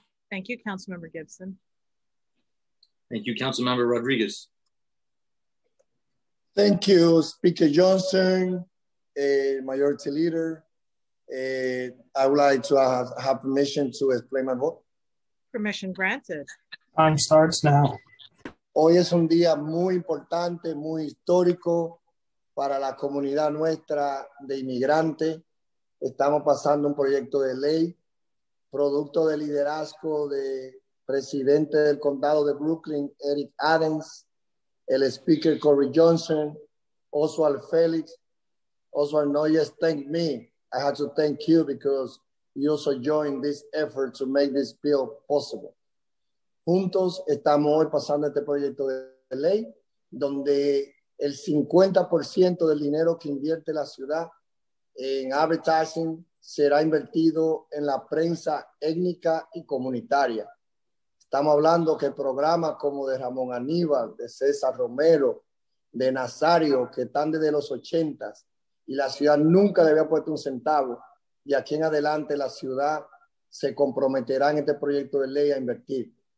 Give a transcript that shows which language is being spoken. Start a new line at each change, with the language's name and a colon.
English: Thank you, Councilmember Gibson. Thank you, Councilmember Rodriguez. Thank you, Speaker Johnson, Majority Leader. I would like to have permission to explain my vote. Permission granted. Time starts now.
Spanish: Hoy es un día muy importante, muy histórico para la comunidad nuestra de inmigrantes. Estamos pasando un proyecto de ley, producto del liderazgo de presidente del condado de Brooklyn, Eric Adams, el speaker Corey Johnson, Oswald Felix.
English: Oswald, no, yes, thank me. I have to thank you because you also joined this effort to make this bill possible.
Spanish: Juntos estamos hoy pasando este proyecto de ley donde el 50% del dinero que invierte la ciudad en advertising será invertido en la prensa étnica y comunitaria. Estamos hablando que programas como de Ramón Aníbal, de César Romero, de Nazario, que están desde los 80s, y la ciudad nunca le había puesto un centavo, y aquí en adelante la ciudad se comprometerá en este proyecto de ley a invertir.